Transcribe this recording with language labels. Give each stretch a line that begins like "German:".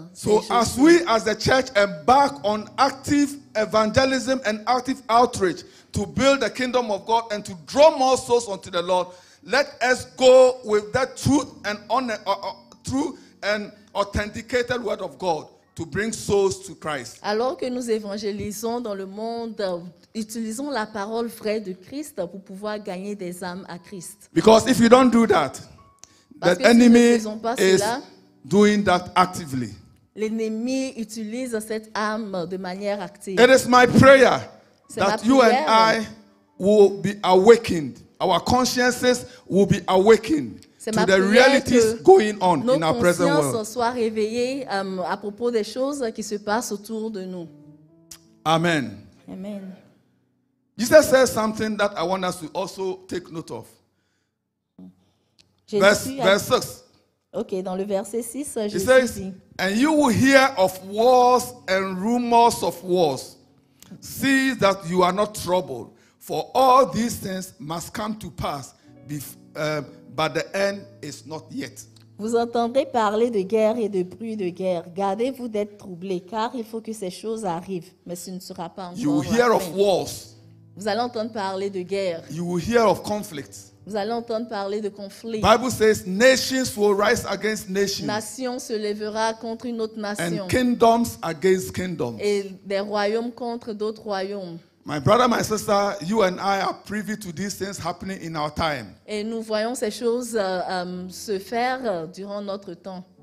English: So as we as the church embark on active evangelism and active outreach to build the kingdom of God and to draw more souls unto the Lord, let us go with that truth and honor, true and authenticated word of God to bring souls to Christ.
French: Alors que nous évangélisons dans le monde, utilisons la parole vraie de Christ pour pouvoir gagner des âmes à Christ.
English: Because if you don't do that,
French: parce
English: the enemy
French: cela,
English: is doing that actively.
French: L'ennemi utilise cette arme de manière active.
English: It is my prayer
French: c'est
English: that you and I will be awakened. Our consciences will be awakened to the realities going on in our present world.
French: Nos consciences soient réveillées à propos des choses qui se passent autour de nous.
English: Amen. Amen. Jesus says something that I want us to also take note of. Verse 6.
French: Okay, dans le verset 6, Jésus
English: says, and you will hear of wars and rumors of wars. See that you are not troubled, for all these things must come to pass, but the end is not yet.
French: Vous entendrez parler de guerre et de bruit de guerre. Gardez-vous d'être troublés, car il faut que ces choses arrivent, mais ce ne sera pas encore.
English: You will hear of wars.
French: Vous allez entendre parler de guerre.
English: You will hear of conflicts.
French: Vous allez entendre parler de conflits.
English: Bible says nations will rise against nations.
French: Nation se lèvera contre une autre nation.
English: And kingdoms against kingdoms.
French: Et des royaumes contre d'autres royaumes.
English: My brother, my sister, you and I are privy to these things happening in our time.
French: Et nous voyons ces choses se faire durant notre temps.